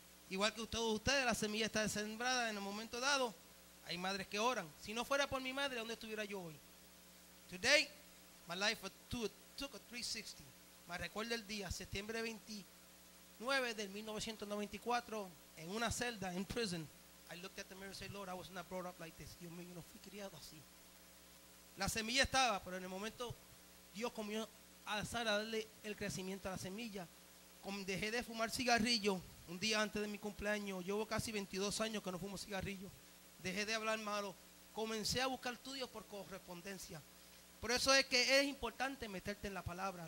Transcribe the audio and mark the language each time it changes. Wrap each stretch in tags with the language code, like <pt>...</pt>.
<es>Igual que todos ustedes, la semilla está sembrada en el momento dado. Hay madres que oran. Si no fuera por mi madre, ¿dónde estuviera yo hoy?</es> <en>Today, my life took a 360.</en> <es>Me recuerdo el día, septiembre 29 del 1994, en una celda, en prison.</es> <en>I looked at the mirror and said, Lord, I was not brought up like this.</en> <es>Dios mío, yo no fui criado así. La semilla estaba, pero en el momento Dios comió a alzar a darle el crecimiento a la semilla. Dejé de fumar cigarrillo un día antes de mi cumpleaños. Llevo casi 22 años que no fumo cigarrillo. Dejé de hablar malo. Comencé a buscar estudios por correspondencia. Por eso es que es importante meterte en la palabra.</es>